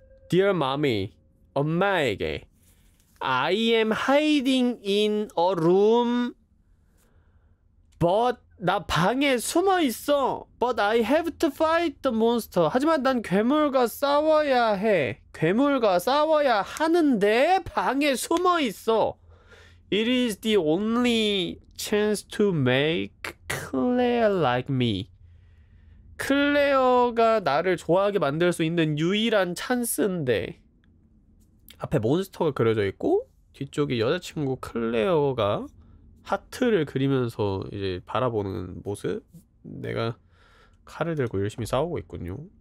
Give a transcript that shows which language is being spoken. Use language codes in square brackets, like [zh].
[en] Dear mommy, [ko] 엄마에게. [en] I am hiding in a room. But [ko] 나 방에 숨어 있어. [en] But I have to fight the monster. [ko] 하지만 난 괴물과 싸워야 해. 괴물과 싸워야 하는데 방에 숨어 있어. [en] It is the only chance to make Claire like me. [ko] 클레어가 나를 좋아하게 만들 수 있는 유일한 찬스인데. 앞에 몬스터가 그려져 있고 뒤쪽에 여자친구 클레어가 하트를 그리면서 이제 바라보는 모습? 내가 칼을 들고 열심히 싸우고 있군요.